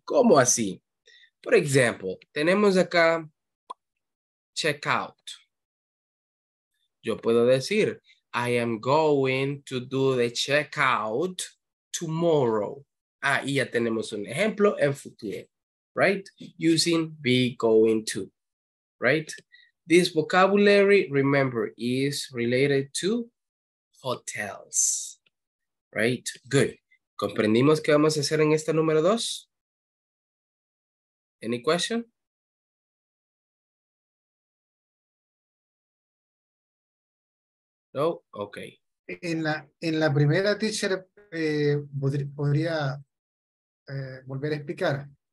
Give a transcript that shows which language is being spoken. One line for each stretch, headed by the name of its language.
Spanish: ¿Cómo así? Por ejemplo, tenemos acá check out. Yo puedo decir,
English: I am going to do the checkout tomorrow.
Spanish: Ahí ya tenemos un ejemplo en futuro, right?
English: Using be going to, right? This vocabulary, remember, is related to hotels, right? Good.
Spanish: ¿Comprendimos qué vamos a hacer en esta número 2?
English: Any question? No? Okay.
Spanish: En la primera, teacher, podría volver a explicar.